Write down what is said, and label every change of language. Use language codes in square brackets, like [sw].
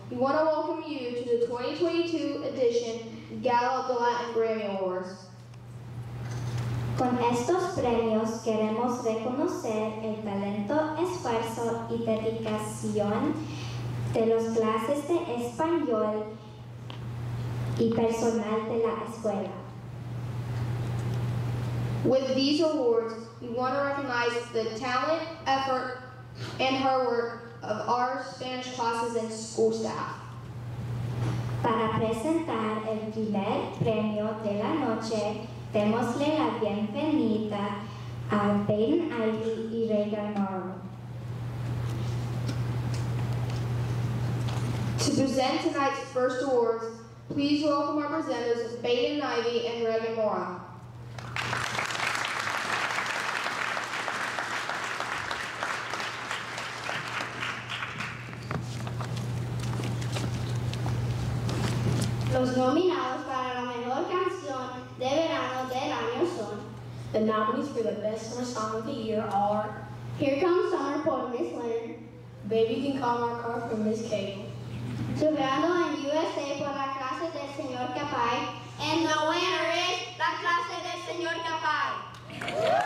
[en] We want to welcome you to the 2022 edition Gala of the Latin Grammy Awards. [es] Con estos premios queremos reconocer el talento, esfuerzo y dedicación de las clases de español y personal de la escuela. [en] With these awards, we want to recognize the talent, effort, and hard work of our Spanish classes and school staff. [es] Para presentar el primer premio de la noche, démosle la bienvenida a Ben Ivy y Reagan Morrow. [en] To present tonight's first awards, please welcome our presenters Ben Ivy and Reagan Morrow. [es] Los nominados para la mejor canción de verano del año son. [en] The nominees for the best summer song of the year are Here Comes Summer por Miss Lynn, Baby Can Call My Car for Miss Cable, [es] Soprano en USA por la clase del señor Capay, [en] and the winner is La Clase del Señor Capay.